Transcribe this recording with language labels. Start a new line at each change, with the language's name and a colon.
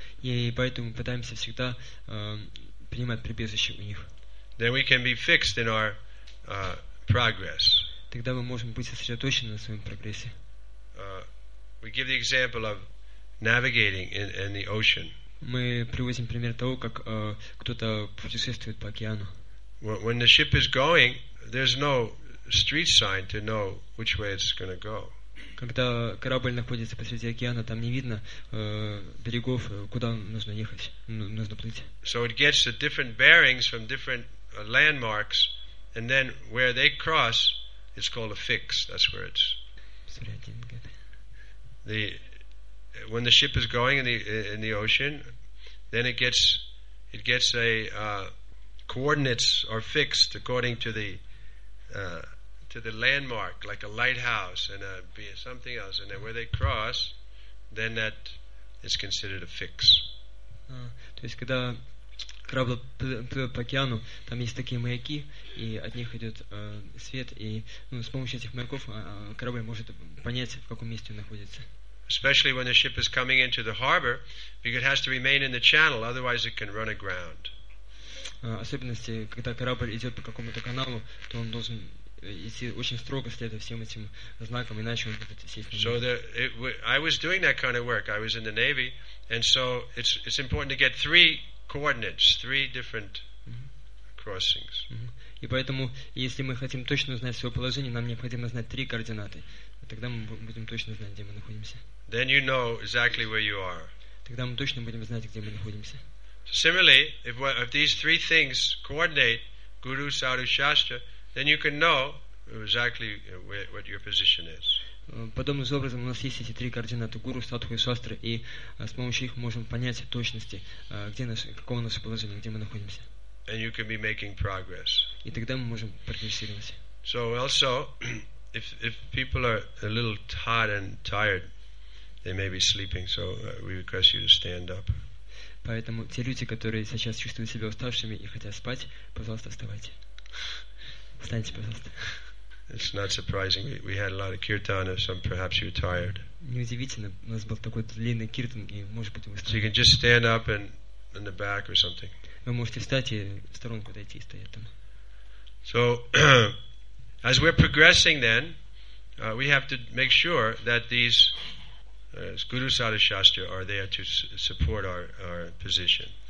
Russian: И поэтому мы пытаемся всегда принимать прибежище у них.
English: Then we can be fixed in our progress.
Russian: Тогда мы можем быть сосредоточены на своем прогрессе.
English: We give the example of navigating in the ocean.
Russian: Мы приводим пример того, как кто-то путешествует по океану.
English: When the ship is going, there's no street sign to know which way it's going to go.
Russian: Когда корабль находится посреди океана, там не видно берегов, куда нужно ехать, нужно плыть.
English: So it gets the different bearings from different landmarks, and then where they cross, it's called a fix. That's where it's. Sorry, I didn't get it. When the ship is going in the ocean, then it gets a coordinates are fixed according to the landmark, like a lighthouse and something else, and then where they cross, then that is considered a fix.
Russian: То есть когда корабль плывет по океану, там есть такие маяки, и от них идет свет, и с помощью этих маяков корабль может понять, в каком месте он находится.
English: Especially when the ship is coming into the harbor, because it has to remain in the channel, otherwise it can run aground.
Russian: Особенности, когда корабль идет по какому-то каналу, то он должен идти очень строго следовать всем этим знакам, иначе он будет сесть на.
English: So I was doing that kind of work. I was in the Navy, and so it's important to get three coordinates, three different crossings.
Russian: И поэтому, если мы хотим точно знать свое положение, нам необходимо знать три координаты. Тогда мы будем точно знать, где мы находимся.
English: Then you know exactly where you are.
Russian: Тогда мы точно будем знать, где мы находимся.
English: Similarly, if these three things coordinate, guru, sadhu, shastra, then you can know exactly what your position is.
Russian: Подобным образом у нас есть эти три координаты: гуру, садху и шастра, и с помощью их мы можем понять точности, каково наше положение, где мы находимся.
English: And you can be making progress.
Russian: И тогда мы можем прогрессировать.
English: So also, if people are a little hot and tired, they may be sleeping, so we request you to stand up.
Russian: Поэтому те люди, которые сейчас чувствуют себя уставшими и хотят спать, пожалуйста, вставайте. Встаньте, пожалуйста.
English: It's not surprising. We had a lot of kirtan, so perhaps you're tired.
Russian: Неудивительно, у нас был такой длинный киртан, и может быть вы устали.
English: So you can just stand up and in the back or something.
Russian: Вы можете встать и в сторонку отойти и стоять там.
English: So as we're progressing then, we have to make sure that these Guru Sadhu Shastra are there to support our position.